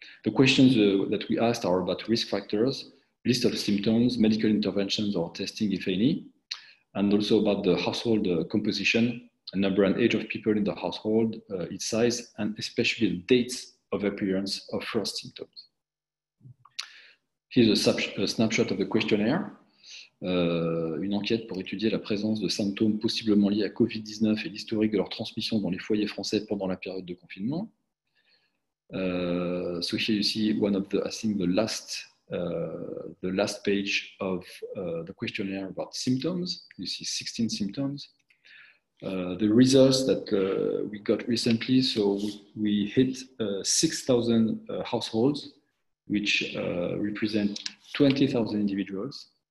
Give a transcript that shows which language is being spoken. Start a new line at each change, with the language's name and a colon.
English: The questions that we asked are about risk factors, list of symptoms, medical interventions or testing, if any, and also about the household composition, number and age of people in the household, its size, and especially the dates of appearance of first symptoms. Here's a snapshot of the questionnaire.
French: Une enquête pour étudier la présence de symptômes possiblement liés à COVID-19 et l'historique de leur transmission dans les foyers français pendant la période de confinement.
English: So here you see one of the last page of the questionnaire about symptoms. You see 16 symptoms. The results that we got recently, so we hit 6,000 households, which represent 20,000 individuals.